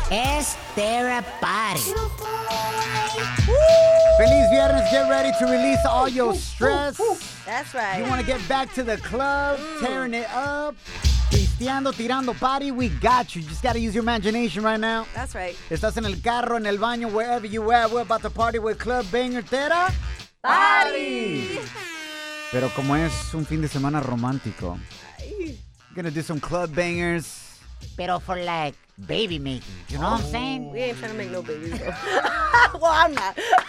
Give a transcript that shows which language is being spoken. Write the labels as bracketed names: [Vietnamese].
[English] Es therapy. [Spanish] Feliz Viernes, [English] get ready to release all your stress. That's right. You want to get back to the club, tearing it up. [Spanish] Pisteando, tirando [English] party, we got you. Just gotta use your imagination right now. That's right. [Spanish] Estás en el carro, en el baño, [English] wherever you are. We're about to party with Club Banger Tera. Party! [Spanish] Pero como es un fin de semana romántico, [English] we're gonna do some club bangers. Pero for like baby making, you know what I'm saying? We ain't trying to make no babies though. Well, I'm not.